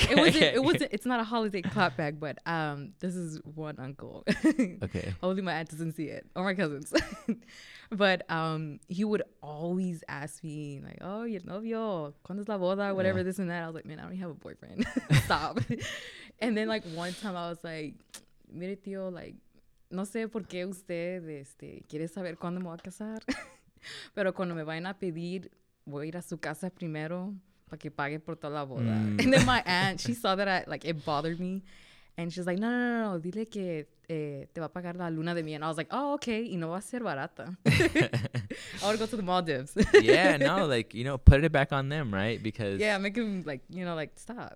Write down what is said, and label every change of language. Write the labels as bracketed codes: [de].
[en] Okay. It wasn't. It's not a holiday clapback, but this is one uncle. Okay. Only my aunt doesn't see it, or my cousins. But he would always ask me like, "Oh, your novio, [es] ¿cuándo es la boda?" [en] Whatever this and that. I was like, "Man, I don't even have a boyfriend." Stop. And then like one time I was like, [es] "Mire tío, like, no sé por qué usted quiere saber cuándo me voy a casar, pero cuando me vayan a pedir, voy a ir a su casa primero." Para que pague por toda la boda. [en] And then my aunt, she saw that it bothered me. And she's like, [es] no, dile que te va a pagar la luna de miel. [en] And I was like, oh, okay. [es] Y no va a ser barata. [en] I want to go to the Maldives. Yeah, no, like, you know, put it back on them, right? Because. Yeah, make them, like, you know, like, stop.